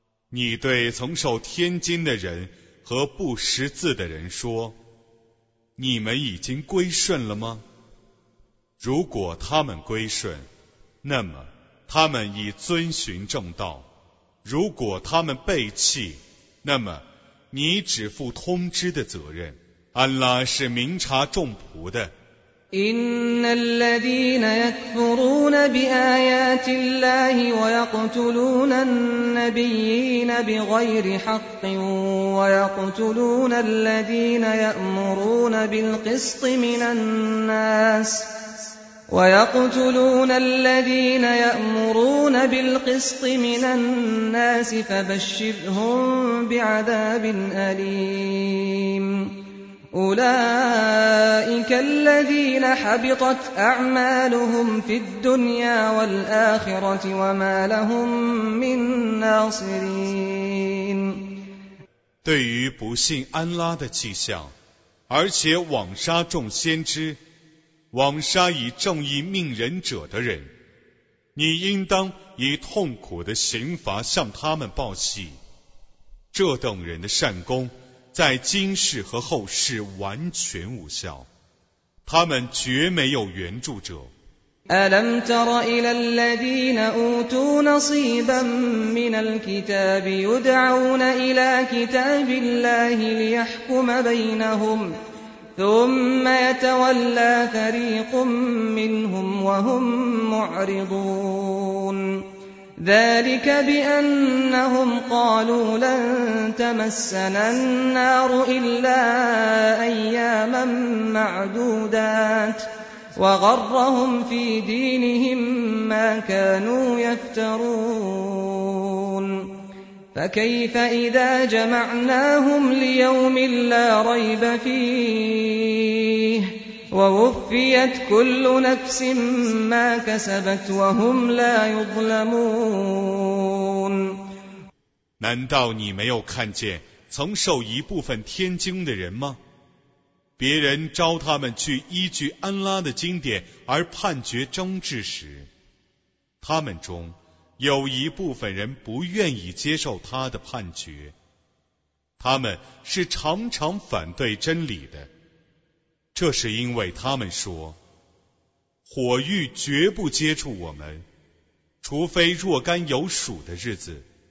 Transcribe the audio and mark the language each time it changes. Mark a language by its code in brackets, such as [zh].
[zh] 你对曾受天经的人和不识字的人说你们已经归顺了吗如果他们归顺那么他们已遵循正道如果他们背弃那么你只负通知的责任安拉是明察重仆的 [ar] إن الذين يكفرون بآيات الله ويقتلون النبيين بغير حق ويقتلون الذين يأمرون بالقسط من الناس ويقتلون الذين يأمرون بالقسط من الناس فبشرهم بعذاب أليم أولئك الذين حبطت أعمالهم في الدنيا والآخرة وما لهم من ناصرين [zh] 对于不信安拉的迹象而且枉杀众先知枉杀以正义命人者的人你应当以痛苦的刑罚向他们报喜这等人的善功在今世和后世完全无效他们绝没有援助者 [ar] ألم تر إلى الذين أوتوا نصيبا من الكتاب يدعون إلى كتاب الله ليحكم بينهم ثم يتولى فريق منهم وهم معرضونذلك بأنهم قالوا لن تمسنا النار إلا أياما معدودات وغرهم في دينهم ما كانوا يفترون فكيف إذا جمعناهم ليوم لا ريب فيهووفيت كل نفس ما كسبت وهم لا يظلمون [zh] 难道你没有看见曾受一部分天经的人吗别人召他们去依据安拉的经典而判决争执时，他们中有一部分人不愿意接受他的判决，他们是常常反对真理的，这是因为他们说，火狱绝不接触我们，除非若干有数的日子。